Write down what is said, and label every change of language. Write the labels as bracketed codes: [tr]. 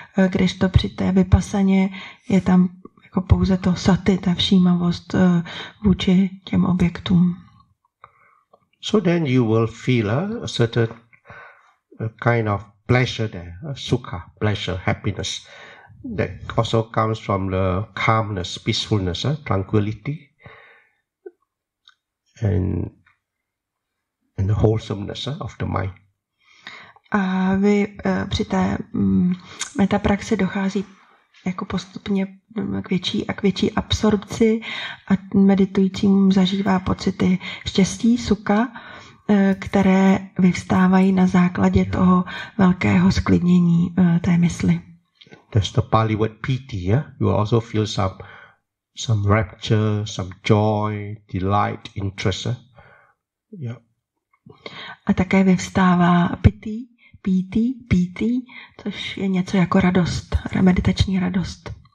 [cs] Kdežto při té vipassaně je tam jako pouze to sati, ta všímavost vůči těm objektům. [en] So then you will feel a certain kind of pleasure there, sukha, pleasure, happiness, that also comes from the calmness, peacefulness, tranquility, and the wholesomeness of the mind. [cs] A vy při té metapraxi dochází jako postupně k větší absorpci a meditujícím zažívá pocity štěstí, sukha, které vyvstávají na základě toho velkého sklidnění té mysli. [en] That's the Pali word piti, yeah? You also feel some some rapture, some joy, delight, interest. [cs] A také vyvstává pity, pity, pity, což je něco jako radost, meditační radost.